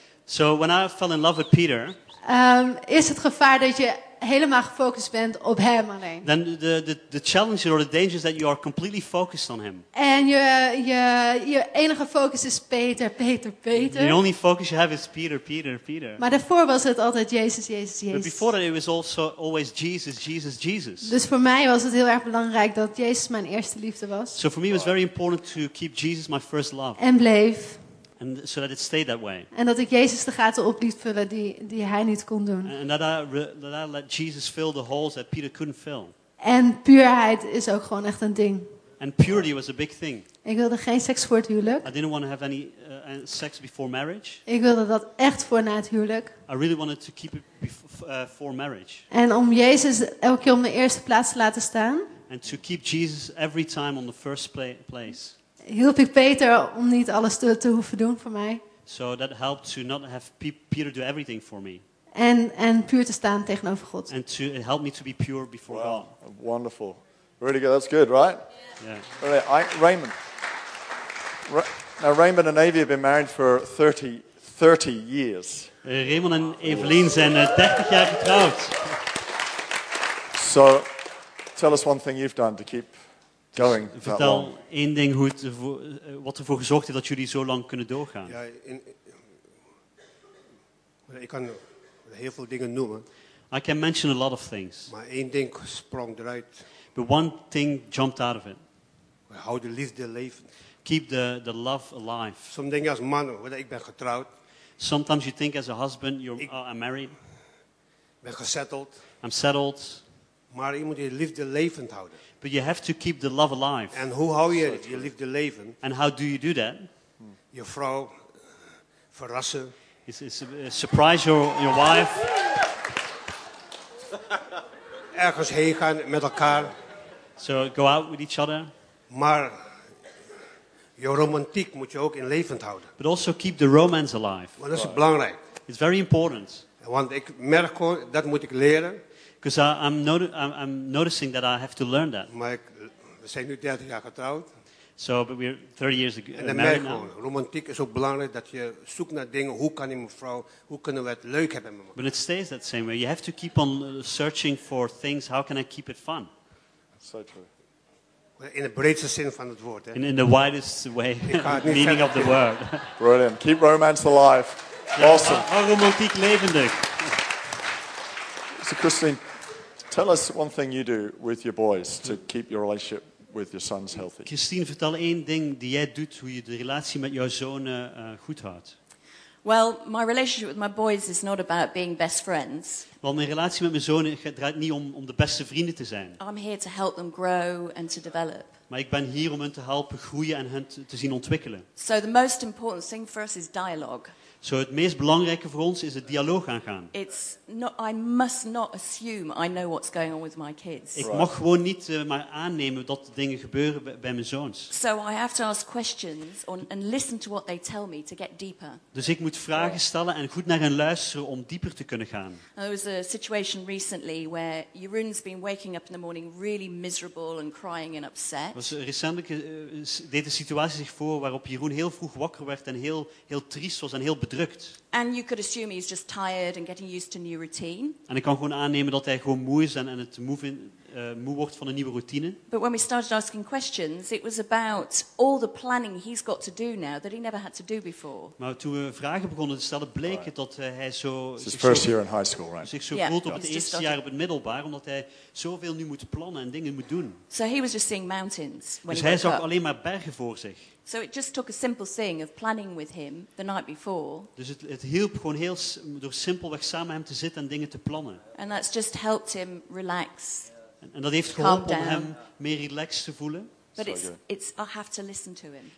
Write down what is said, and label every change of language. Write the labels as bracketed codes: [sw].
[en] So when I fell in love with Peter. [nl] Is het gevaar dat je helemaal gefocust bent op hem alleen. [en] Then the challenge or the danger is that you are completely focused on him. [nl] En je enige focus is Peter, Peter, Peter. [en] The only focus you have is Peter, Peter, Peter. [nl] Maar daarvoor was het altijd Jezus, Jezus, Jezus. [en] But before that it was also always Jesus, Jesus, Jesus. [nl] Dus voor mij was het heel erg belangrijk dat Jezus mijn eerste liefde was. [en] So for me it was very important to keep Jesus my first love. [nl] En bleef. [en] And so that it stayed that way. [nl] En dat ik Jezus de gaten op liet vullen die hij niet kon doen. [en] And that I let Jesus fill the holes that Peter couldn't fill. [nl] En puurheid is ook gewoon echt een ding. [en] And purity was a big thing. [nl] Ik wilde geen seks voor het huwelijk. [en] I didn't want to have any sex before marriage. [nl] Ik wilde dat echt voor na het huwelijk. [en] I really wanted to keep it before, for marriage. [nl] En om Jezus elke keer op de eerste plaats te laten staan. [en] And to keep Jesus every time on the first place. [nl] Hielp ik Peter om niet alles te hoeven doen voor mij. [en] So that helped to not have Peter do everything for me. [nl] En puur te staan tegenover God. [en] And to help me to be pure before God. Wonderful. Really good. That's good, right? Yeah. Yeah. Right. Raymond. Now, Raymond and Evie have been married for 30 years. [nl] Raymond and Evelien zijn 30 jaar getrouwd. [en] So, tell us one thing you've done to keep going. Dus [nl] vertel [en] that long. [nl] Één ding hoe wat ervoor gezorgd heeft dat jullie zo lang kunnen doorgaan. Ja, ik kan heel veel dingen noemen. [en] I can mention a lot of things. [nl] Maar één ding sprong eruit. [en] But one thing jumped out of it. [nl] Hou de liefde levend. [en] Keep the love alive. [nl] Soms denk je als man, ik ben getrouwd. [en] Sometimes you think as a husband, I'm married. [nl] Ben gesetteld. [en] I'm settled. [nl] Maar je moet je liefde levend houden. [en] But you have to keep the love alive. [nl] En hoe hou je je liefde levend? [en] And how do you do that? [nl] Je vrouw verrassen. [en] Surprise your wife. [nl] Ergens heen gaan met elkaar. [en] So go out with each other. [nl] Maar je romantiek moet je ook in levend houden. [en] But also keep the romance alive. [nl] Want dat is belangrijk. [en] It's very important. [nl] Want ik merk gewoon, dat moet ik leren. [en] Because I'm noticing that I have to learn that. [nl] Maar we zijn nu 30 jaar getrouwd. [en] So, but we're 30 years ago. [nl] En dan merk ik gewoon, romantiek is ook belangrijk dat je zoekt naar dingen. Hoe kan ik mevrouw, hoe kunnen we het leuk hebben met mevrouw? [en] But it stays that same way. You have to keep on searching for things. How can I keep it fun? So true. [nl] In the breedste zin van het woord. Hè? [en] In the widest way, meaning of the word. Brilliant. Keep romance alive. Awesome. [nl] Ja, romantiek levendig. [en] So Christine, tell us one thing you do with your boys to keep your relationship with your sons healthy. [nl] Christine, vertel één ding die jij doet hoe je de relatie met jouw zonen goed houdt. [en] Well, my relationship with my boys is not about being best friends. [nl] Want mijn relatie met mijn zonen draait niet om de beste vrienden te zijn. [en] I'm here to help them grow and to develop. [nl] Maar ik ben hier om hen te helpen groeien en hen te zien ontwikkelen. [en] So the most important thing for us is dialogue. [nl] So het meest belangrijke voor ons is het dialoog aangaan. [en] It's not, I must not assume I know what's going on with my kids. [nl] Ik mag gewoon niet maar aannemen dat dingen gebeuren bij mijn zoons. [en] So I have to ask questions and listen to what they tell me to get deeper. [nl] Dus ik moet vragen stellen en goed naar hen luisteren om dieper te kunnen gaan. [en] There was a situation recently where Jeroen's been waking up in the morning really miserable and crying and upset. [nl] Was recentelijk deed de situatie zich voor waarop Jeroen heel vroeg wakker werd en heel heel triest was en heel bedrukt. [en] And you could assume he's just tired and getting used to new routine. [nl] En ik kan gewoon aannemen dat hij gewoon moe is en het moe wordt van een nieuwe routine. [en] But when we started asking questions, it was about all the planning he's got to do now that he never had to do before. [nl] Maar toen we vragen begonnen te stellen, bleek het dat hij zo [en] his first year in high school, right? [nl] Zich zo voelt op het eerste jaar op het middelbaar, omdat hij zoveel nu moet plannen en dingen moet doen. [en] So he was just seeing mountains when [nl] dus [en] he [nl] hij zag [en] up. [nl] Alleen maar bergen voor zich. [en] So it just took a simple thing of planning with him the night before. [nl] Dus het hielp gewoon heel door simpelweg samen hem te zitten en dingen te plannen. [en] And that's just helped him relax. [nl] En dat heeft geholpen om hem meer relaxed te voelen. [en] But it's I have to listen to him.